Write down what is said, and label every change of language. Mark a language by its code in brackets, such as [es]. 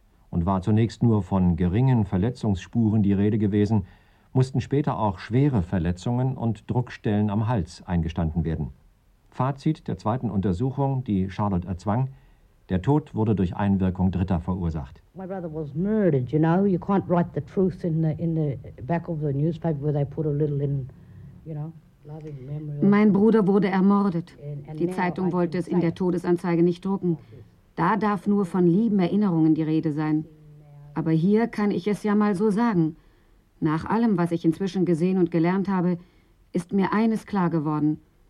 [de] Und war zunächst nur von geringen Verletzungsspuren die Rede gewesen, mussten später auch schwere Verletzungen und Druckstellen am Hals eingestanden werden. Fazit der zweiten Untersuchung, die Charlotte erzwang, der Tod wurde durch Einwirkung Dritter verursacht. [en] My brother was murdered, you know. You can't write the truth in the back of the newspaper where they put a little in, you know. [de] Mein Bruder wurde ermordet. Die Zeitung wollte es in der Todesanzeige nicht drucken. Da darf nur von lieben Erinnerungen die Rede sein. Aber hier kann ich es ja mal so sagen. Nach allem, was ich inzwischen gesehen und gelernt habe, ist mir eines klar geworden.